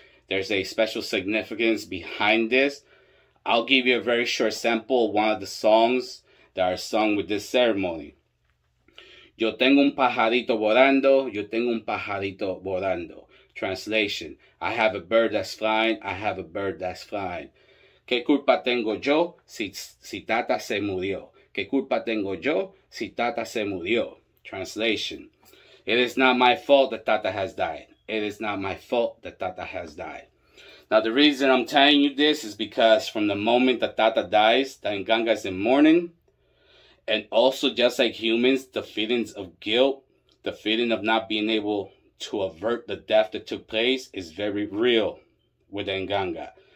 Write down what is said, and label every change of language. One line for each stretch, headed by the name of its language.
English: There's a special significance behind this. I'll give you a very short sample of one of the songs that are sung with this ceremony.
Spanish: Yo tengo un pajarito volando, yo tengo un pajarito volando.
English: Translation: I have a bird that's flying, I have a bird that's flying.
Spanish: Que culpa tengo yo si tata se murió? Que culpa tengo yo si tata se murió?
English: Translation: It is not my fault that tata has died. It is not my fault that tata has died. Now, the reason I'm telling you this is because from the moment that tata dies, the Nganga is in mourning. And also, just like humans, the feelings of guilt, the feeling of not being able to avert the death that took place is very real with the Nganga.